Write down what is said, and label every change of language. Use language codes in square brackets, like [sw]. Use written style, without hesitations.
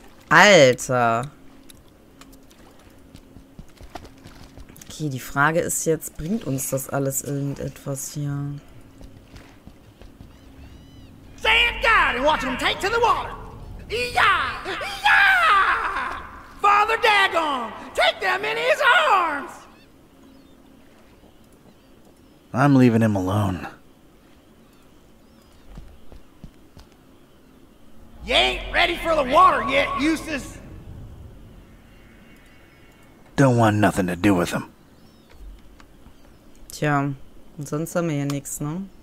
[de] Alter. Okay, die Frage ist jetzt, bringt uns das alles irgendetwas hier? [en] Stand guard and watch them take to the water. Yeah! Yeah! Father Dagon, take them in his arms. I'm leaving him alone. You ain't ready for the water yet, Eustace. Don't want nothing to do with him. [de] Tja, sonst haben wir ja nichts, ne?